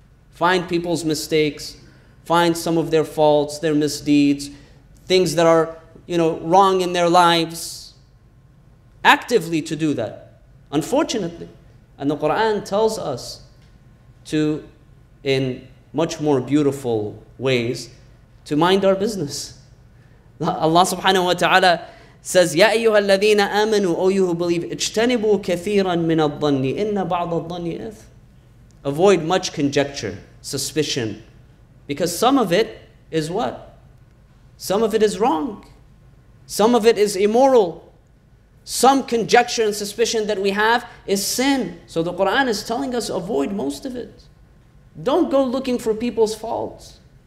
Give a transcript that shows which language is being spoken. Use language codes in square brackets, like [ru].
[en] Find people's mistakes, find some of their faults, their misdeeds, things that are, you know, wrong in their lives. Actively to do that, unfortunately. And the Quran tells us to, in much more beautiful ways, to mind our business. [ar] Allah subhanahu wa ta'ala says, يَا أَيُّهَا الَّذِينَ آمَنُوا [en] O you who believe, [ar] اجتنبوا كثيراً من الظن إن بعض الظن إث. [en] Avoid much conjecture, suspicion. Because some of it is what? Some of it is wrong. Some of it is immoral. Some conjecture and suspicion that we have is sin. So the Quran is telling us, avoid most of it. Don't go looking for people's faults.